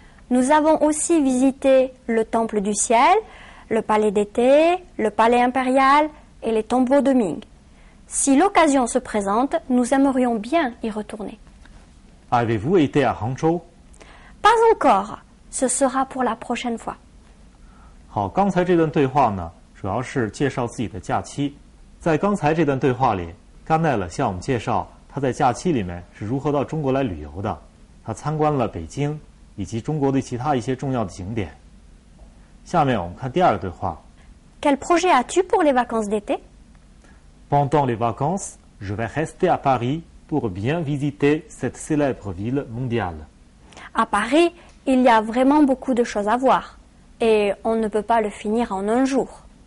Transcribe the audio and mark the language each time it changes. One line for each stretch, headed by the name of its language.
French: Nous avons aussi visité le Temple du Ciel, le Palais d'été, le Palais impérial et les tombeaux de Ming. Si l'occasion se présente, nous aimerions bien y retourner. Avez-vous été à Hangzhou? Pas encore. Ce sera pour la prochaine fois.
Chinese: 好，刚才这段对话呢，主要是介绍自己的假期。在刚才这段对话里，甘奈勒向我们介绍他在假期里面是如何到中国来旅游的。他参观了北京以及中国的其他一些重要的景点。下面我们看第二个对话。
French: Quel projet as-tu pour les vacances d'été? Pendant les vacances, je vais rester à Paris pour bien visiter cette célèbre ville mondiale. À Paris, il y a vraiment beaucoup de choses à voir et on ne peut pas le finir en un jour.